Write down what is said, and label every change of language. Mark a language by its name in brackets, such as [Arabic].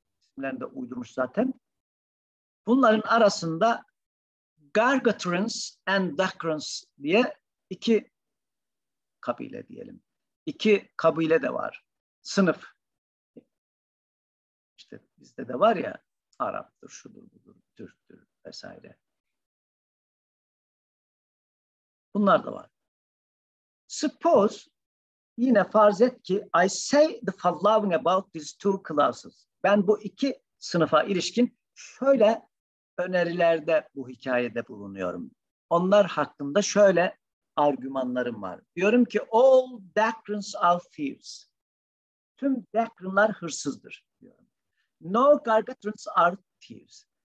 [Turkish] İsimlerini de uydurmuş zaten. Bunların arasında Gargatrons and Dacrons diye iki kabile diyelim. İki kabile de var. Sınıf. İşte bizde de var ya, Arap'tır, şudur, budur, Türk'tür vesaire. Bunlar da var. [English] Suppose, [Turkish] yine farz et ki, [English] I say the following about these two classes. [Turkish] Ben bu iki sınıfa ilişkin şöyle önerilerde bu hikayede bulunuyorum. Onlar hakkında şöyle argümanlarım var. Diyorum ki, [English] all Dacrons are thieves. [Turkish] Tüm Dacronlar hırsızdır diyorum. [English] No Gargatrons are thieves.